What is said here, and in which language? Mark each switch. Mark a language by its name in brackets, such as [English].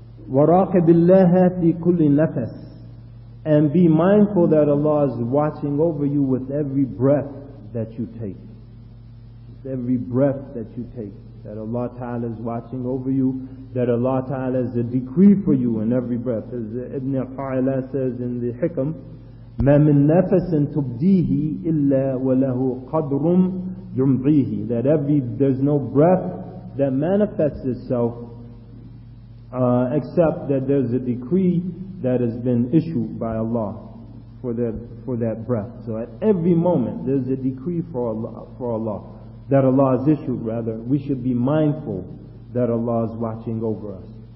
[Arabic] وَرَاقِبِ اللَّهَ فِي كُلِّ نَفَسِ. [English] And be mindful that Allah is watching over you with every breath that you take. Every breath that you take, that Allah Ta'ala is watching over you, that Allah Ta'ala is a decree for you in every breath. As Ibn Qa'ilah says in the Hikam, [Arabic] مَا مِن نَفَسٍ تُبْدِيهِ إِلَّا وَلَهُ قَدْرٌ يُمْضِيهِ. [English] That there's no breath that manifests itself except that there's a decree that has been issued by Allah for that breath. So at every moment there's a decree for Allah. That Allah is issued, rather. We should be mindful that Allah is watching over us.